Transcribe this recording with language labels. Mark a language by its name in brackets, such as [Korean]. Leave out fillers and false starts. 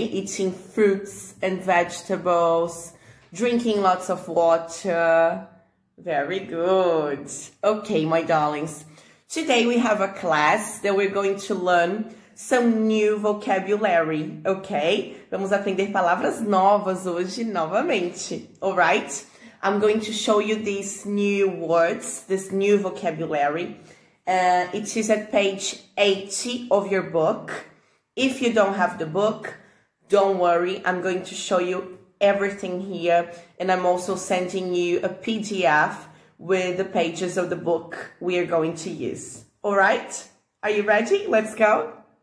[English] Eating fruits and vegetables, drinking lots of water. Very good. Okay, my darlings. Today we have a class that we're going to learn some new vocabulary, okay? [Portuguese] Vamos aprender palavras novas hoje novamente, all right? [English] I'm going to show you these new words, this new vocabulary. It is at page 80 of your book. If you don't have the book, don't worry. I'm going to show you everything here. And I'm also sending you a PDF with the pages of the book we are going to use. All right? Are you ready? Let's go.